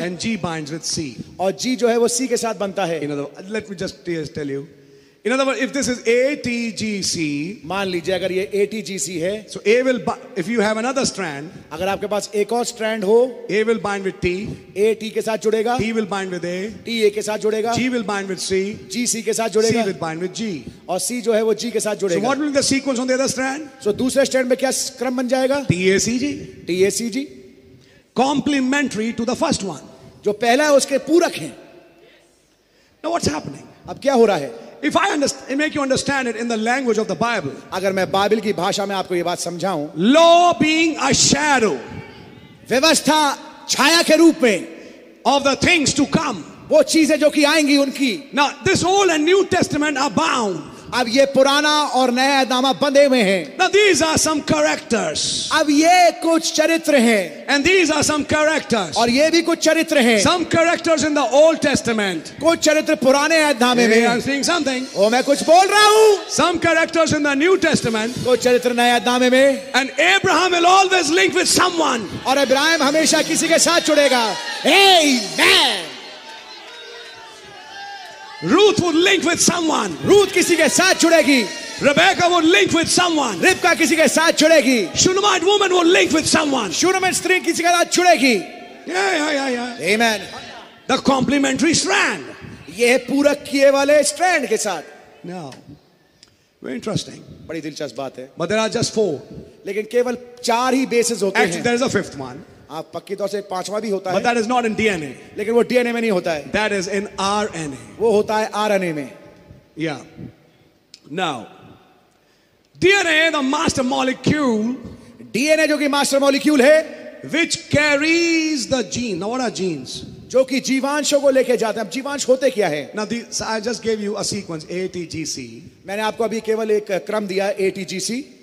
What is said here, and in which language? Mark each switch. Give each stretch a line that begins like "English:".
English: And G binds with C.
Hindi: और जी जो है वो सी के साथ बनता है.
English: Let me just tell you. In other words, if this is A T G C,
Hindi: मान लीजिए अगर ये A T G C है,
English: so A will, if you have another strand,
Hindi: अगर आपके पास एक और strand हो,
English: A will bind with T,
Hindi: A T के साथ जुड़ेगा,
English: T will bind with A,
Hindi: T A के साथ जुड़ेगा,
English: G will bind with C,
Hindi: G C के साथ जुड़ेगा,
English: C will bind with G,
Hindi: और C जो है वो G के साथ जुड़ेगा.
English: So what will be the sequence on the other strand?
Hindi: So दूसरे strand में क्या क्रम बन जाएगा?
English: T A C G, T A C G, complementary to the first one,
Hindi: जो पहला है उसके पूरक हैं.
English: Now what's happening?
Hindi: अब क्या हो रहा है?
English: If I understand, make you understand it in the language of the Bible.
Hindi: अगर मैं बाइबल की भाषा में आपको ये बात समझाऊं.
English: Law being a shadow.
Hindi: व्यवस्था छाया के रूप में.
English: Of the things to come.
Hindi: वो चीजें जो कि आएंगी उनकी.
English: Now this old and new testament are bound.
Hindi: अब ये पुराना और नया अहदनामा बंधे हुए हैं.
English: Now these are some characters.
Hindi: अब ये कुछ चरित्र हैं.
English: And these are some characters.
Hindi: और ये भी कुछ चरित्र हैं.
English: Some characters in the old testament.
Hindi: कुछ चरित्र पुराने अहदनामे में.
English: I'm saying something.
Hindi: ओ मैं कुछ बोल रहा हूँ.
English: Some characters in the new testament.
Hindi: कुछ चरित्र नए अहदनामे में.
English: And Abraham will always link with someone.
Hindi: और इब्राहिम हमेशा किसी के साथ जुड़ेगा.
English: Amen. Ruth would link with someone.
Hindi: Ruth किसी के साथ जुड़ेगी.
English: Rebecca would link with someone.
Hindi: Rebecca किसी के साथ जुड़ेगी.
English: Shunammite woman would link with someone.
Hindi: Shunammite स्त्री किसी के साथ जुड़ेगी.
English: Yeah. Amen. The complementary strand.
Hindi: ये पूरक किए वाले strand के साथ.
English: Now, very interesting.
Hindi: बड़ी दिलचस्प बात है.
English: But there are just four.
Hindi: लेकिन केवल चार ही bases होते हैं.
English: Actually, there is a fifth one.
Hindi: आप पक्की तौर से पांचवा भी होता
English: है. That is not in DNA.
Hindi: लेकिन वो DNA में नहीं होता है.
English: That is in RNA.
Hindi: वो होता है RNA में.
English: Yeah. Now, DNA, the master molecule.
Hindi: DNA जो कि master molecule है,
English: which carries the gene. Now what are genes?
Hindi: जो कि जीवांशों को लेके जाते हैं. अब जीवांश होते क्या है?
English: Now this, I just gave you a sequence ATGC.
Hindi: मैंने आपको अभी केवल एक क्रम दिया ATGC.